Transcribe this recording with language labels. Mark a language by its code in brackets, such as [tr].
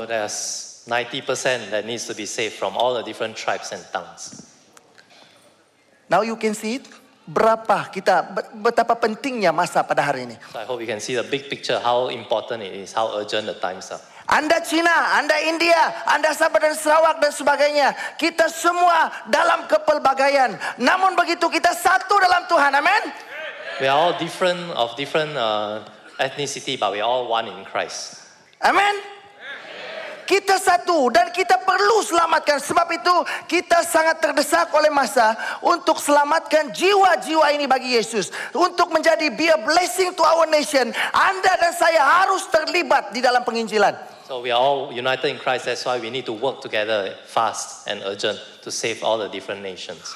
[en] So there's 90% that needs to be saved from all the different tribes and tongues. Now you can see it. [ms] Berapa kita betapa pentingnya masa pada hari ini. [en] So I hope you can see the big picture, how important it is, how urgent the times are. [ms] Anda Cina, Anda India, Anda Sabah dan Sarawak dan sebagainya, kita semua dalam kepelbagaian. Namun begitu kita satu dalam Tuhan. Amen. [en] We are all different of different ethnicity, but we are all one in Christ. Amen. [ms] Kita satu dan kita perlu selamatkan. Sebab itu kita sangat terdesak oleh masa untuk selamatkan jiwa-jiwa ini bagi Yesus. Untuk menjadi [en] be a blessing to our nation. [ms] Anda dan saya harus terlibat di dalam penginjilan. [en] So we are all united in Christ. That's why we need to work together fast and urgent to save all the different nations.